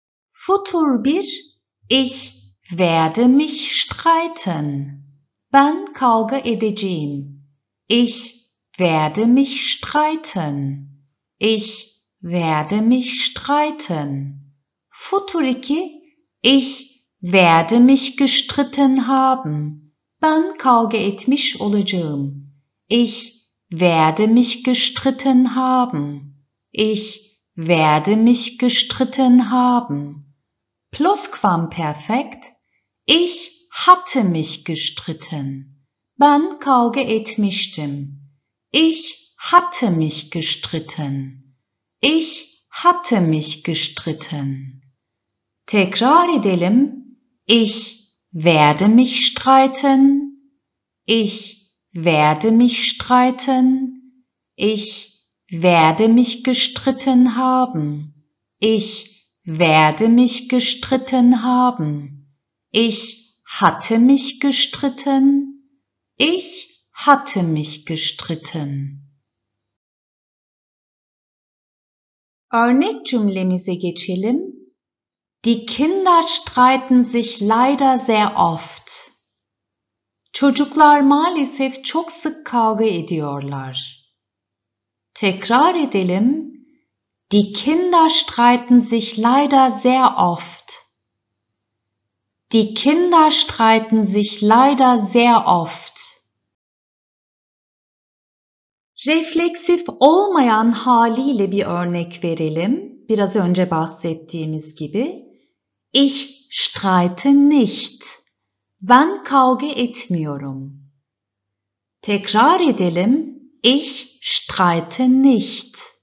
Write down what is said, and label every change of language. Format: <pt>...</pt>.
<de>Futur bir. Ich werde mich streiten.</de> <tr>Ben kavga edeceğim.</tr> <de>Ich werde mich streiten. Ich werde mich streiten. Futur 2. Ich werde mich gestritten haben.</de> <tr>Ben kavga etmiş olacağım.</tr> <de>Ich werde mich gestritten haben. Ich werde mich gestritten haben. Plusquamperfekt. Ich hatte mich gestritten.</de> <tr>Ben kavga etmiştim.</tr> <de>Ich hatte mich gestritten. Ich hatte mich gestritten.</de> <tr>Tekrar edelim.</tr> <de>Ich werde mich streiten. Ich werde mich streiten. Ich werde mich gestritten haben. Ich werde mich gestritten haben. Ich hatte mich gestritten. Ich hatte mich gestritten.</de> <tr>Örnek cümlemize geçelim.</tr> <de>Die Kinder streiten sich leider sehr oft.</de> <tr>Çocuklar maalesef çok sık kavga ediyorlar. Tekrar edelim.</tr> <de>Die Kinder streiten sich leider sehr oft. Die Kinder streiten sich leider sehr oft.</de> <tr>Reflexiv olmayan haliyle bir örnek verelim. Biraz önce bahsettiğimiz gibi.</tr> <de>Ich streite nicht.</de> <tr>Ben kavga etmiyorum. Tekrar edelim.</tr> <de>Ich streite nicht.</de>